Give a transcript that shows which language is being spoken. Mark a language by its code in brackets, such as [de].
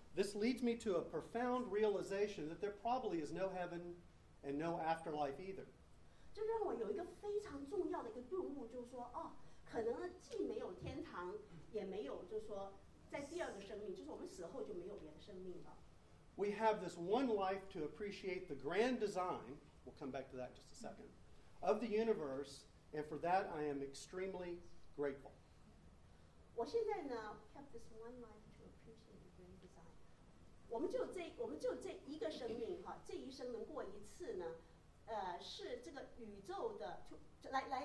[en] This leads me to a profound realization that there probably is no heaven, and no afterlife either. [zh] 这让我有一个非常重要的一个顿悟，就是说哦。可能既没有天堂，也没有，就是说，在第二个生命，就是我们死后就没有别的生命了。 [en] We have this one life to appreciate the grand design. We'll come back to that in just a second. Of the universe, and for that I am extremely grateful. [zh] 我现在呢 [en] ，have this one life to appreciate the grand design. [zh] 我们就这一个生命哈，这一生能过一次呢，是这个宇宙的，就来。